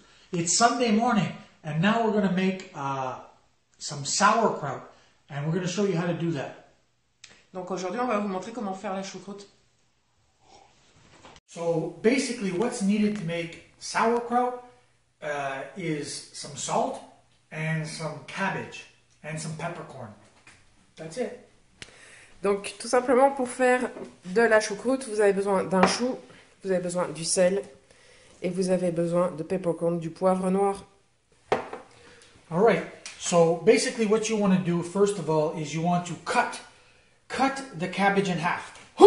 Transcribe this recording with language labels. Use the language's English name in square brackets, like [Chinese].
[English] It's Sunday morning, and now we're going to make some sauerkraut, and we're going to show you how to do that. [French] Donc aujourd'hui, on va vous montrer comment faire la choucroute. [English] So basically, what's needed to make sauerkraut is some salt and some cabbage and some peppercorn. That's it. [French] Donc tout simplement, pour faire de la choucroute, vous avez besoin d'un chou, vous avez besoin du sel. Et vous avez besoin de peppercorn, du poivre noir. [English] All right. So basically, what you want to do first of all is you want to cut the cabbage in half.